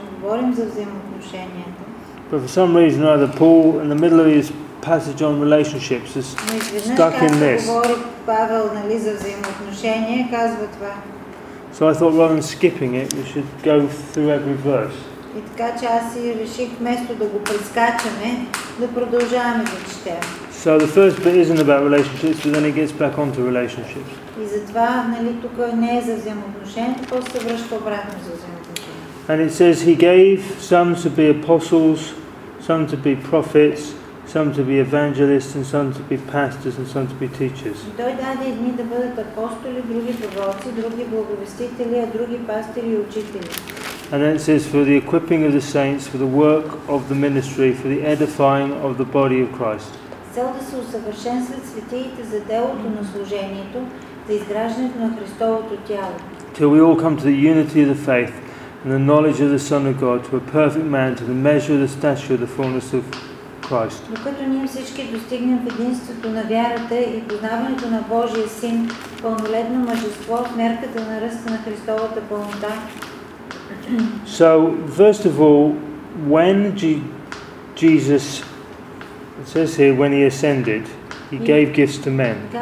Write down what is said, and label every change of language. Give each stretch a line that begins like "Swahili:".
Bulgarian: Говорим за взаимоотношенията.
English: But for some reason or other, Paul, in the middle of his passage on relationships, is stuck in this.
Bulgarian: Говори Павел, нали, за взаимоотношения, казва това.
English: So I thought rather than skipping it, we should go through every verse.
Bulgarian: И така, че аз и реших, вместо да го прескачаме, да продължаваме да четем.
English: So the first bit isn't about relationships, but then it gets back onto relationships.
Bulgarian: И затова, нали, тук не е за взаимоотношението, то се връща обратно за взаимоотношението.
English: And it says he gave some to be apostles, some to be prophets, some to be evangelists, and some to be pastors, and some to be teachers.
Bulgarian: И той даде едни да бъдат апостоли, други пророци, други благовестители, а други пастири и учители.
English: And then it says, for the equipping of the saints, for the work of the ministry, for the edifying of the body of Christ.
Bulgarian: Цел да се усъвършенстват светиите за делото на служението, за изграждането на Христовото тяло.
English: Till we all come to the unity of the faith and the knowledge of the Son of God, to a perfect man, to the measure of the stature of the fullness of Christ.
Bulgarian: Докато ние всички достигнем в единството на вярата и познаването на Божия Син, пълнолетно мъжество в мерката на ръста на Христовата пълнота.
English: So, first of all, when Jesus, it says here, when he ascended, he gave gifts to men.